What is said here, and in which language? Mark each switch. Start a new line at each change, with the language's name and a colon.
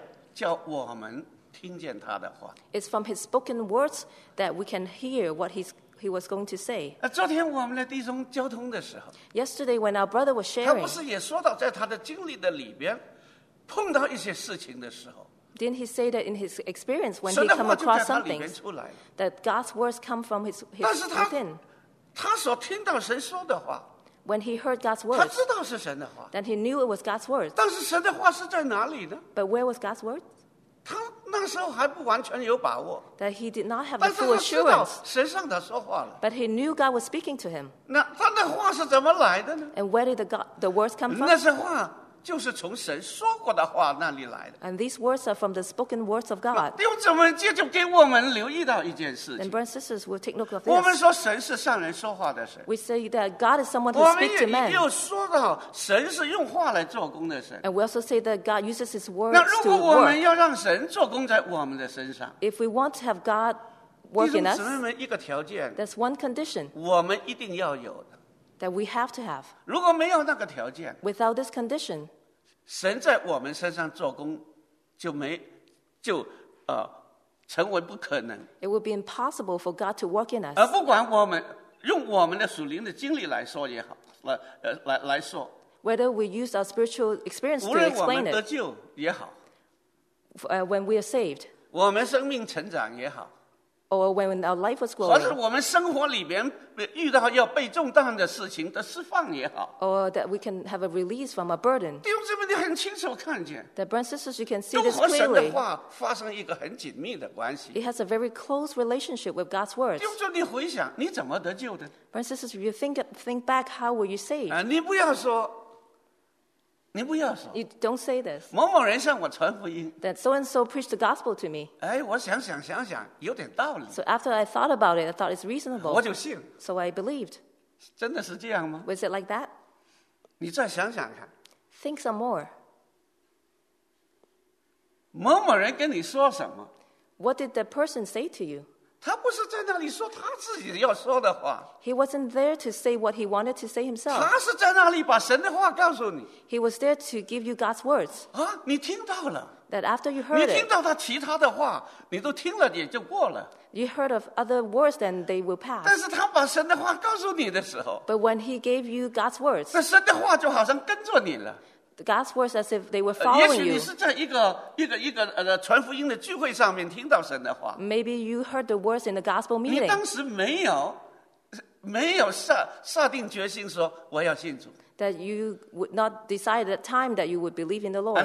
Chinese: 神就让我们从他说过的话来叫我们听见他的话。
English: It's from his spoken words that we can hear what he was going to say.
Chinese: 昨天我们的弟兄交通的时候,
English: yesterday when our brother was sharing,
Chinese: 他不是也说到在他的经历的里边, 碰到一些事情的时候,
English: didn't he say that in his experience when he come across something, that God's words come from his within?
Chinese: 他所听到神说的话。
English: When he heard God's words,
Chinese: 他知道是神的话。
English: Then he knew it was God's words.
Chinese: 但是神的话是在哪里呢？
English: But where was God's words?
Chinese: 他那时候还不完全有把握。
English: That he did not have the full assurance.
Chinese: 但是他知道神向他说话了。
English: But he knew God was speaking to him.
Chinese: 那他的话是怎么来的呢？
English: And where did the words come from?
Chinese: 那些话就是从神说过的话那里来的。
English: And these words are from the spoken words of God.
Chinese: 弟兄姊妹，这就给我们留意到一件事情。
English: And brothers and sisters, we'll take note of this.
Chinese: 我们说神是向人说话的神。
English: We say that God is someone who speaks to men.
Chinese: 我们又说到神是用话来做工的神。
English: And we also say that God uses his words to work.
Chinese: 那如果我们要让神做工在我们的身上。
English: If we want to have God work in us.
Chinese: 弟兄姊妹们，一个条件。
English: That's one condition.
Chinese: 我们一定要有的。
English: That we have to have.
Chinese: 如果没有那个条件，
English: Without this condition,
Chinese: 神在我们身上做工就成为不可能。
English: It would be impossible for God to work in us.
Chinese: 而不管我们用我们的属灵的经历来说也好，来说。
English: Whether we use our spiritual experience to explain it.
Chinese: 无论我们得救也好。
English: When we are saved.
Chinese: 我们生命成长也好。
English: Or when our life was growing.
Chinese: 或是我们生活里边遇到要被重担的事情的释放也好。
English: Or that we can have a release from a burden.
Chinese: 弟兄姊妹，你很清楚看见。
English: That brothers and sisters, you can see this clearly.
Chinese: 都和神的话发生一个很紧密的关系。
English: It has a very close relationship with God's words.
Chinese: 弟兄姊妹，你回想你怎么得救的？
English: Brothers and sisters, you think back, how were you saved?
Chinese: 你不要说。
English: You don't say this.
Chinese: 某某人向我传福音。
English: That so and so preached the gospel to me.
Chinese: 哎，我想想，有点道理。
English: So after I thought about it, I thought it's reasonable.
Chinese: 我就信。
English: So I believed.
Chinese: 真的是这样吗？
English: Was it like that?
Chinese: 你再想想看。
English: Think some more.
Chinese: 某某人跟你说什么？
English: What did the person say to you?
Chinese: 他不是在那里说他自己要说的话。
English: He wasn't there to say what he wanted to say himself.
Chinese: 他是在那里把神的话告诉你。
English: He was there to give you God's words.
Chinese: 啊，你听到了。
English: That after you heard it.
Chinese: 你听到他其他的话，你都听了也就过了。
English: You heard of other words, then they will pass.
Chinese: 但是他把神的话告诉你的时候。
English: But when he gave you God's words.
Chinese: 那神的话就好像跟着你了。
English: God's words as if they were following you.
Chinese: 也许你是在一个传福音的聚会上面听到神的话。
English: Maybe you heard the words in the gospel meeting.
Chinese: 你当时没有下定决心说我要信主。
English: That you would not decide at the time that you would believe in the Lord.